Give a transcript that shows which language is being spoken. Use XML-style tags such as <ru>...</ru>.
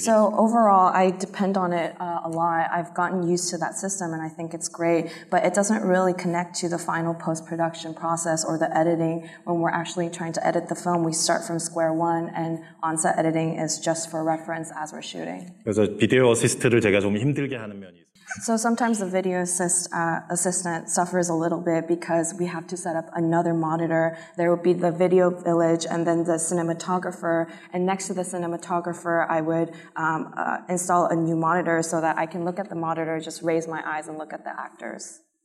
<en>So overall, I depend on it a lot. I've gotten used to that system, and I think it's great. But it doesn't really connect to the final post-production process or the editing. When we're actually trying to edit the film, we start from square one, and on-set editing is just for reference as we're shooting.</en> <ko>그래서 비디오 어시스트를 제가 좀 힘들게 하는 면이 있어요.</ko> <en>So sometimes the video assistant suffers a little bit because we have to set up another monitor. There would be the video village and then the cinematographer. And next to the cinematographer, I would install a new monitor so that I can look at the monitor, just raise my eyes and look at the actors.</en>